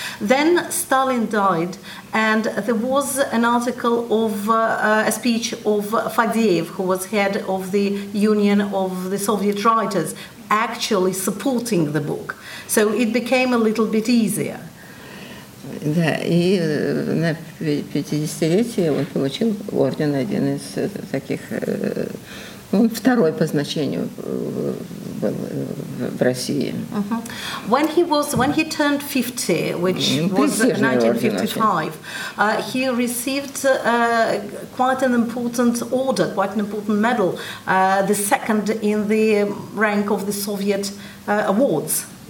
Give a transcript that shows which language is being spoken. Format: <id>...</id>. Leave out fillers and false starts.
<en>Then Stalin died, and there was an article of a speech of Fadeev, who was head of the Union of the Soviet Writers, actually supporting the book. So it became a little bit easier.</en> <ru>Да, и на 50-летие он получил орден, один из таких, он второй по значению был в России.</ru> <en>When he turned 50, which was 1955, he received quite an important order, quite an important medal, the second in the rank of the Soviet awards.</en>